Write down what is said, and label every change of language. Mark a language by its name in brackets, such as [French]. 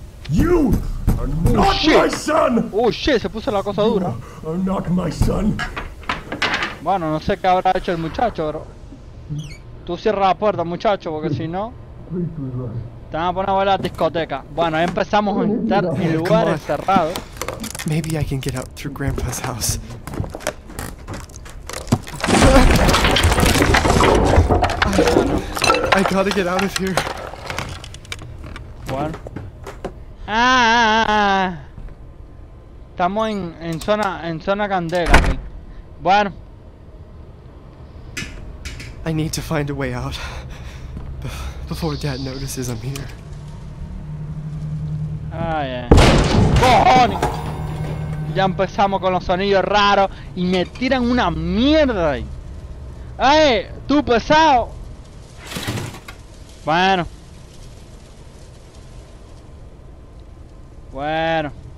[English] You are not my son. Oh shit, [Spanish] se puso la cosa dura. [English] You are not my son. [Spanish] Bueno, no sé qué habrá hecho el muchacho, bro. Tú cierra la puerta, muchacho, porque si no te van a poner a volar a la discoteca. Bueno, empezamos a entrar en lugares cerrados. [English] Maybe I can get out through Grandpa's house. I gotta get out of here. [Spanish] Bueno. Ah, estamos en zona candela. Bueno. [English] I need to find a way out before Dad notices I'm here. Ah, yeah. [Spanish] ¡Cojones! Ya empezamos con los sonidos raros y me tiran una mierda ahí. ¡Ey! ¡Tú pesado! Bueno. Bueno.